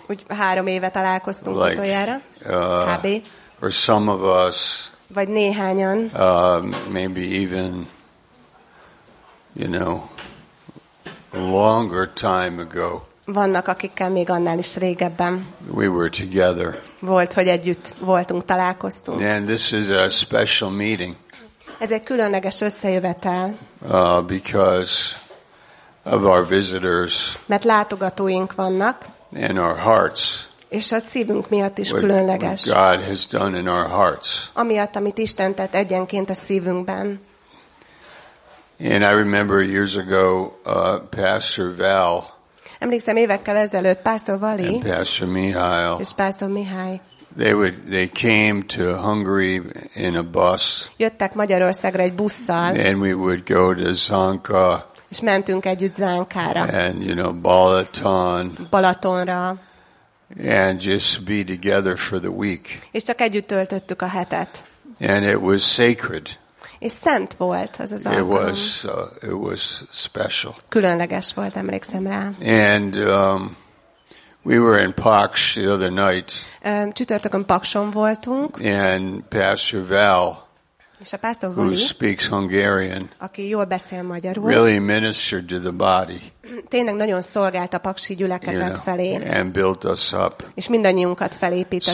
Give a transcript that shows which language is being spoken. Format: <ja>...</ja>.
<hu>Úgy 3 éve találkoztunk utoljára.</hu> <en>HB. Or some of us.</en> <hu>Vagy néhányan.</hu> <en>Maybe even, you know, a longer time ago.</en> <hu>Vannak, akikkel még annál is régebben.</hu> <en>We were together.</en> <hu>Volt, hogy együtt voltunk, találkoztunk.</hu> <en>And this is a special meeting.</en> <hu>Ez egy különleges összejövetel.</hu> <en>Because of our visitors.</en> <hu>Mert látogatóink vannak.</hu> <en>And our hearts.</en> <hu>És a szívünk miatt is különleges.</hu> <en>What God has done in our hearts.</en> <hu>Amiatt, amit Isten tett egyenként a szívünkben.</hu> <en>And I remember years ago, Pastor Val.</en> <hu>Emlékszem évekkel ezelőtt Pastor Vali</hu> <en>and Pastor Mihály.</en> <hu>És Pastor Mihály.</hu> <en>They came to Hungary in a bus.</en> <hu>Jöttek Magyarországra egy busszal.</hu> <en>And we would go to Zanka.</en> <hu>És mentünk együtt Zánkára.</hu> <en>And you know, Balaton.</en> <hu>Balatonra.</hu> <en>And just be together for the week.</en> <hu>És csak együtt töltöttük a hetet.</hu> <en>And it was sacred.</en> <hu>És szent volt az az alkalom.</hu> <en>It was special.</en> <hu>Különleges volt, emlékszem rá.</hu> <en>And we were in Pax the other night.</en> <hu>Csütörtökön Paxon voltunk.</hu> <en>And Pastor Val,</en> <hu>és a Pastor Vali,</hu> <en>who speaks Hungarian,</en> <hu>aki jól beszél magyarul,</hu> <en>really ministered to the body.</en> <hu>Tényleg nagyon szolgált a paksi gyülekezet,</hu> <en>you know,</en> <hu>felé.</hu> <en>And built us up.</en> <hu>És mindannyiunkat felépített.</hu>